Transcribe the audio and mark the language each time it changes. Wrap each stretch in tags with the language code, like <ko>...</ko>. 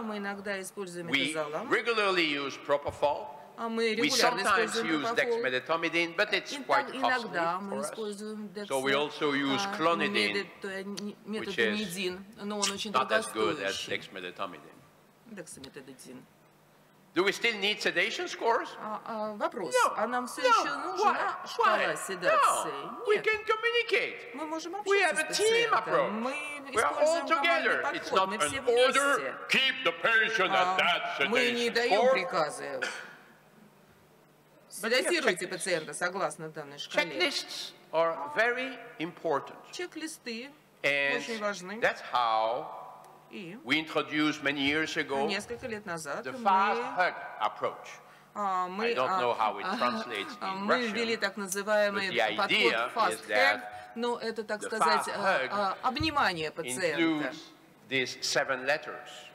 <en>We regularly use propofol. We sometimes use dexmedetomidine, but it's quite costly for us. So we also use clonidine, which is not as good as dexmedetomidine. Do we still need sedation scores?</en> <ru>Вопрос.</ru> <en>No.</en> <ru>А нам все еще нужна шкала седации?</ru> <en>No. We can communicate.</en> <ru>Мы можем общаться.</ru> <en>We have a team approach.</en> <ru>Мы</ru> <en>We are all together. It's not an order. Keep the patient at that sedation score.</en> <ru>Мы не даем приказы. Седатируйте пациента согласно данной шкале.</ru> <en>Checklists are very important.</en> <ru>Чек-листы очень важны.</ru> <en>And that's how we introduced many years ago the fast hug approach. I don't know how it translates in Russian, but the idea is that the fast hug includes these seven letters.</en>